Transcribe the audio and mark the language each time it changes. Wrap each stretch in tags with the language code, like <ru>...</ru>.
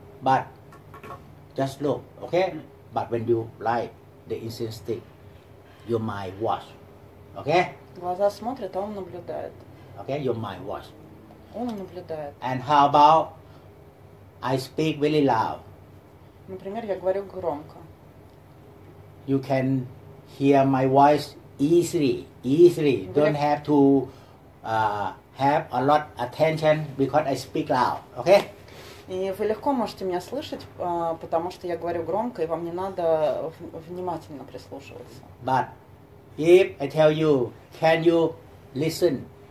<en>But just look, okay? But when you light the incense stick, your mind watch. Okay?</en> <ru>Глаза смотрят, а он наблюдает.</ru> <en>Okay, your mind watch.</en> <ru>Он наблюдает.</ru> <en>And how about I speak really loud?</en> <ru>Например, я говорю громко.</ru> <en>You can hear my voice easily. Don't have to have a lot attention because I speak loud. Okay?</en> <ru>И вы легко можете меня слышать, потому что я говорю громко, и вам не надо внимательно прислушиваться.</ru> <en>But if I tell you, can you listen</en>